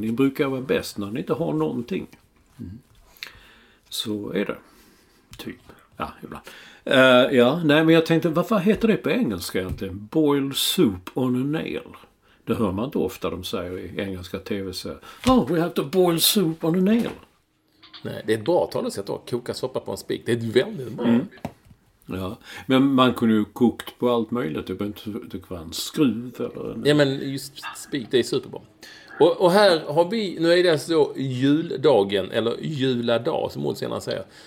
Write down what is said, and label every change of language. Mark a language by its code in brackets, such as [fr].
[sv] Ni brukar vara bäst när ni inte har någonting. Så är det. Typ. Ja, ibland. Ja, nej, men jag tänkte, varför heter det på engelska egentligen? [en] Boiled soup on a nail. [sv] Det hör man inte ofta de säger i engelska tv-serier. [en] Oh, we have to boil soup on a nail. [sv] Nej, det är ett bra talesätt att koka soppa på en spik. Det är väldigt bra. Ja, men man kunde ju kokt på allt möjligt, typ inte en skruv eller en... Ja, men just spik, det är superbra. Och här har vi, nu är det så juldagen, eller juladag som hon senare säger.